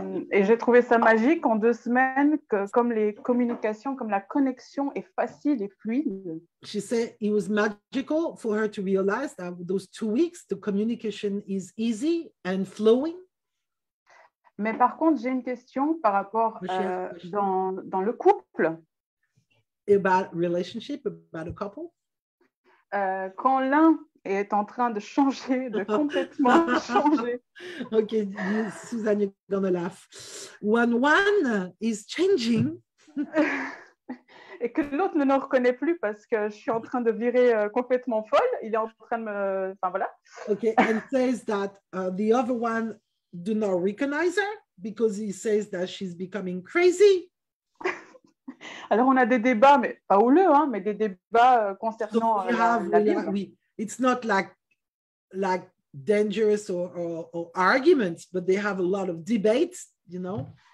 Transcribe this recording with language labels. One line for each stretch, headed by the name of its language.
French: Et j'ai trouvé ça magique en 2 semaines, que comme les communications, comme la connexion est facile et fluide.
English: She said it was magical for her to realize that those 2 weeks, the communication is easy and flowing.
French: Mais par contre, j'ai une question par rapport dans le couple.
English: About relationship, about a couple.
French: Quand l'un est en train de changer, de complètement changer.
English: Ok, Suzanne, you're gonna laugh. When one is changing.
French: Et que l'autre ne me reconnaît plus parce que je suis en train de virer complètement folle. Il est en train de me... Enfin, voilà.
English: Ok, and says that the other one do not recognize her because he says that she's becoming crazy.
French: Alors, on a des débats, mais pas houleux, hein, mais des débats concernant la Bible.
English: It's not like dangerous or arguments, but they have a lot of debates, you know.